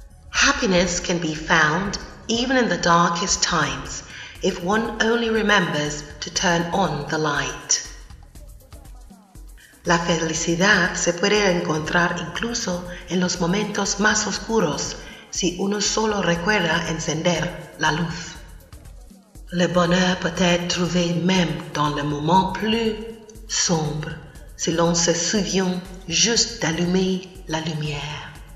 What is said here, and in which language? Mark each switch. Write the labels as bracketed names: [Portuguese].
[English] Happiness can be found even in the darkest times if one only remembers to turn on the light. [Spanish] La felicidad se puede encontrar incluso en los momentos más oscuros si uno solo recuerda encender la luz. [French] Le bonheur peut être trouvé même dans le moment plus sombre si l'on se souvient juste d'allumer la lumière.